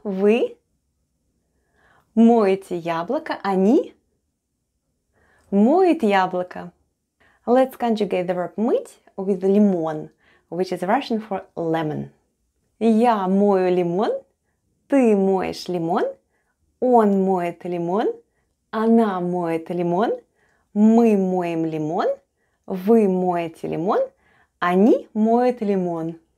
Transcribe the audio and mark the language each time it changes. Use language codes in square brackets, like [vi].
[ru] Вы моете яблоко, они моют яблоко. [en] Let's conjugate the verb мыть with лимон, which is Russian for lemon. [ru] Я мою лимон, ты моешь лимон, он моет лимон, она моет лимон, мы моем лимон, вы моете лимон, они моют лимон.